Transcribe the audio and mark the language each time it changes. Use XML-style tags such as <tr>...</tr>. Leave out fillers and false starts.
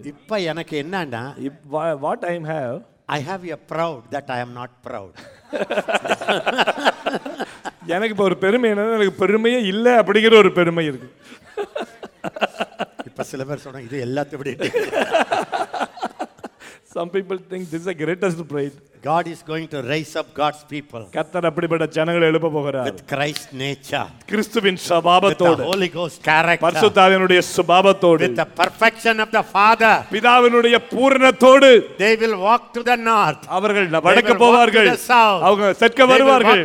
<ta>இப்போ எனக்கு என்னன்னா</ta> <en>what I have I have a proud that I am not proud</en> <ta>எனக்கு இப்போ ஒரு பெருமை என்ன எனக்கு பெருமையே இல்லை அப்படிங்கிற ஒரு பெருமை இருக்கு இப்போ சில பேர் சொன்னாங்க இது எல்லாத்தையும் எப்படி</ta> <en>Some people think this is the greatest pride. God is going to raise up God's people.</en> <ta>கர்த்தர் அப்படிப்பட்ட ஜனங்களை எழுப்ப போகிறார்.</ta> <en>With Christ nature.</en> <ta>கிறிஸ்துவின் சுபாவத்தோடு.</ta> <en>With the Holy Ghost character.</en> <ta>பரிசுத்தாவினுடைய சுபாவத்தோடு.</ta> <en>With the perfection of the Father.</en> <ta>பிதாவினுடைய பூரணத்தோடு.</ta> <en>They will walk to the north.</en> <ta>அவர்கள் வடக்கு போவார்கள். அவங்க தெற்கு வருவார்கள்.</ta>